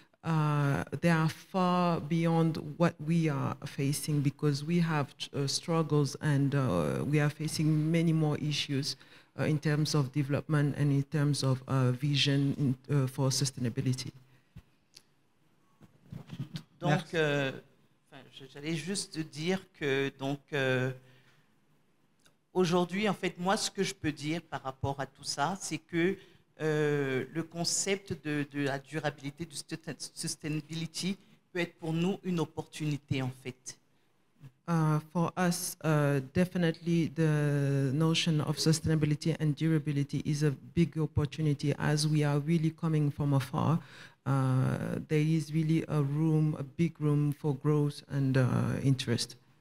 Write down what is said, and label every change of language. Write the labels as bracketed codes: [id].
[en] They are far beyond what we are facing because we have struggles and we are facing many more issues in terms of development and in terms of vision in, for sustainability. [fr] Donc, j'allais juste dire que donc aujourd'hui, en fait, moi, ce que je peux dire par rapport à tout ça, c'est que. Le concept de la durabilité, du sustainability, peut être pour nous une opportunité, en fait. [en] For us, definitely the notion of sustainability and durability is a big opportunity as we are really coming from afar. There is really a room, a big room for growth and interest.